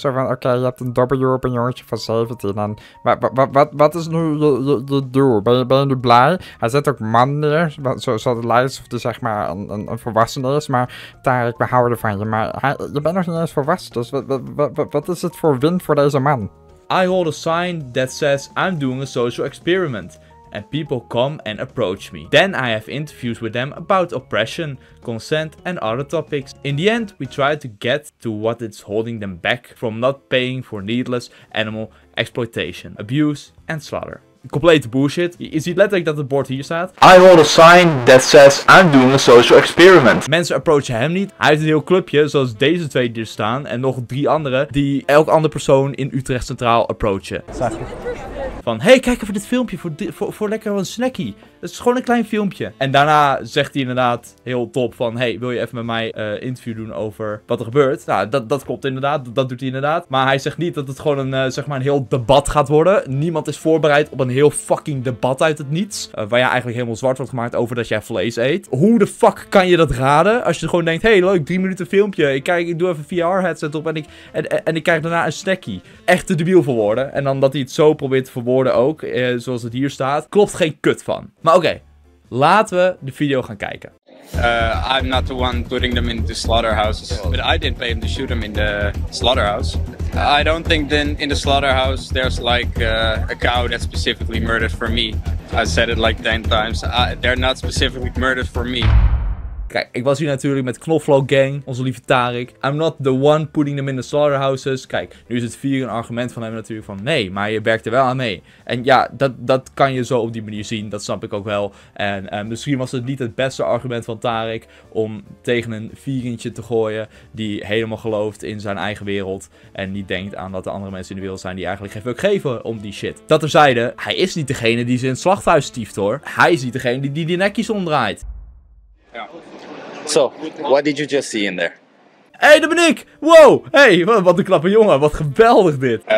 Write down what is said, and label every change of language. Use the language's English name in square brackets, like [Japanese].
[Dutch] Zo van, oké, je hebt een W op een jongetje van 17. En wat is nu je doel? Ben je nu blij? Hij zet ook man neer. Zo het lijkt alsof hij zeg maar een volwassene is. Maar Tarek, we houden van je. Maar je bent nog niet eens volwassen. Dus wat is het voor win voor deze man? [English] I hold a sign that says I'm doing a social experiment. And people come and approach me. Then I have interviews with them about oppression, consent and other topics. In the end, we try to get to what is holding them back from not paying for needless animal exploitation, abuse and slaughter. Complete bullshit. [Dutch] Je ziet letterlijk dat het bord hier staat. [English] I hold a sign that says I'm doing a social experiment. [Dutch] Mensen approachen hem niet. Hij heeft een heel clubje, zoals deze twee die er staan. En nog drie anderen die elk andere persoon in Utrecht Centraal approachen. Van, hey, kijk even dit filmpje voor lekker een snackie. Het is gewoon een klein filmpje. En daarna zegt hij inderdaad heel top van, hey, wil je even met mij interview doen over wat er gebeurt? Nou, dat klopt inderdaad. Dat doet hij inderdaad. Maar hij zegt niet dat het gewoon een heel debat gaat worden. Niemand is voorbereid op een heel fucking debat uit het niets. Waar je eigenlijk helemaal zwart wordt gemaakt over dat jij vlees eet. Hoe de fuck kan je dat raden? Als je gewoon denkt, hey, leuk, 3 minuten filmpje. Ik doe even VR headset op en ik krijg daarna een snackie. Echt te debiel voor woorden. En dan dat hij het zo probeert te verwoorden ook, zoals het hier staat. Klopt geen kut van. Maar oké, laten we de video gaan kijken. [English] I'm not the one putting them into slaughterhouses, but I didn't pay him to shoot them in the slaughterhouse. I don't think then in the slaughterhouse there's like a cow that's specifically murdered for me. I said it like 10 times. They're not specifically murdered for me. [Dutch] Kijk, ik was hier natuurlijk met Knoflook Gang, onze lieve Tarek. [English] I'm not the one putting them in the slaughterhouses. [Dutch] Kijk, nu is het vier een argument van hem natuurlijk van nee, maar je werkt er wel aan mee. En ja, dat kan je zo op die manier zien, dat snap ik ook wel. En misschien was het niet het beste argument van Tarek om tegen een vegantje te gooien die helemaal gelooft in zijn eigen wereld. En niet denkt aan dat er andere mensen in de wereld zijn die eigenlijk geen fuck geven om die shit. Dat terzijde, hij is niet degene die ze in het slachthuis stieft hoor. Hij is niet degene die nekjes omdraait. [English] So, what did you just see in there? [Dutch] Hey, dat ben ik! Wow! Hey, wat een knappe jongen, wat geweldig dit!